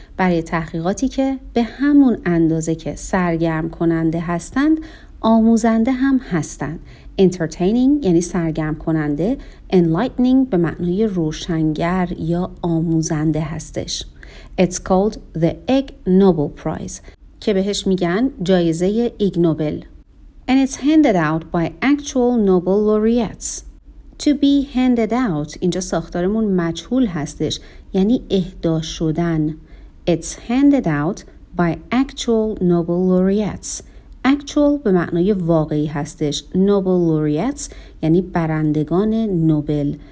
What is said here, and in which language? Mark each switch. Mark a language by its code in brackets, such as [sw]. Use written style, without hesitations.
[fa] برای تحقیقاتی که به همون اندازه که سرگرم کننده هستند، آموزنده هم هستند. Entertaining یعنی سرگرم کننده. [en] Enlightening [fa] به معنای روشنگر یا آموزنده هستش. [en] It's called the Ig Nobel Prize. [fa] که بهش میگن جایزه ایگ نوبل. [en] And it's handed out by actual Nobel laureates. To be handed out [fa] اینجا ساختارمون مجهول هستش، یعنی اهدا شدن. [en] It's handed out by actual Nobel laureates. [fa] Actual به معنای واقعی هستش. Nobel laureates یعنی برندگان نوبل.